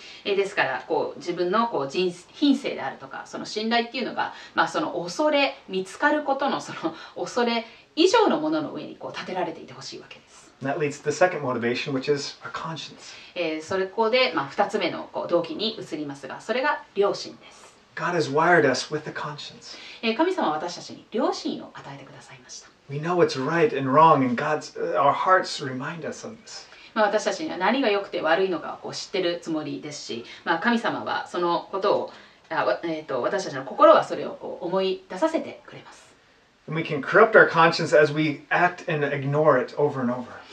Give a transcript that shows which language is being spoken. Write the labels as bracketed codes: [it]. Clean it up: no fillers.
[ja] ですから、こう自分のこう人品性であるとか、その信頼っていうのが、まあその恐れ、見つかることのその恐れ以上のものの上にこう立てられていてほしいわけです。 [en] That leads to the second motivation, which is our conscience. [ja] それこで、まあ二つ目のこう動機に移りますが、それが良心です。 [en] God has wired us with the conscience. [ja] 神様は私たちに良心を与えてくださいました。 [en] We know what's right and wrong, and God's our hearts remind us of this. [ja] まあ、私たちには何が良くて悪いのかをこう知ってるつもりですし、まあ、神様はそのことを、私たちの心はそれをこう思い出させてくれます。 [en] We can corrupt our conscience as we act and ignore it over and over.